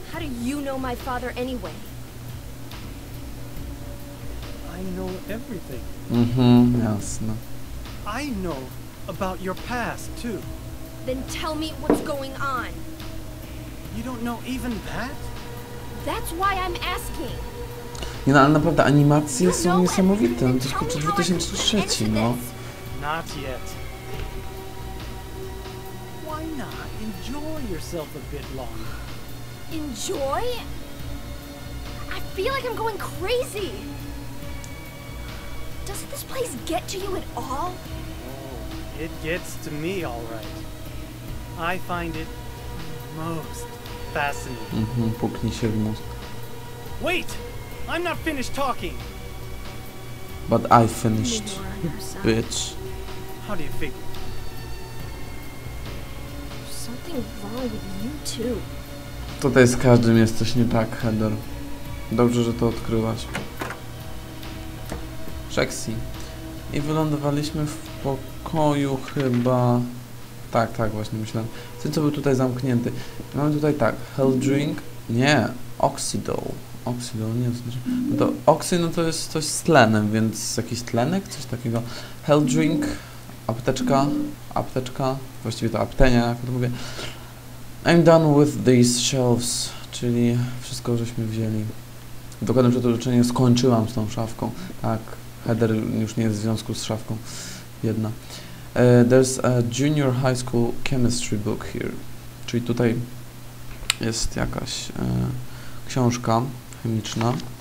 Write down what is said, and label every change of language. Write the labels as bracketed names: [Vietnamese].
[English] How do you know my father anyway? I know everything. [Polish] Jasne. [English] I know about your past, too. Then tell me what's going on. You don't know even that? That's why I'm asking. [Polish] Nie, no, ale naprawdę animacje są niesamowite. To jest po 2003, no. [English] Not yet. Why not enjoy yourself a bit longer? Enjoy? I feel like I'm going crazy. Doesn't this place get to you at all? It gets to me, all right. I find it most fascinating. [Polish] Puknij się w mózg. [English] Wait! I'm not finished talking! But I finished, bitch. How do you figure? There's something wrong with you too. [Polish] Tutaj z każdym jest coś nie tak, Heather. Dobrze, że to odkryłaś. Sexy. I wylądowaliśmy w pokoju chyba. Tak, tak, właśnie myślałem. Ten, co był tutaj zamknięty. Mamy tutaj tak, Hell Drink. Nie, Oxydol. Oxydol, nie, to znaczy. No to Oxy, no to jest coś z tlenem, więc jakiś tlenek, coś takiego. Hell Drink, apteczka. Właściwie to aptenia, jak to mówię. [English] I'm done with these shelves. [Polish] Czyli wszystko żeśmy wzięli. Dokładnie przed orzeczeniem skończyłam z tą szafką. Tak. Heather już nie jest w związku z szafką. Jedna. [English] There's a junior high school chemistry book here. [Polish] Czyli tutaj jest jakaś książka chemiczna.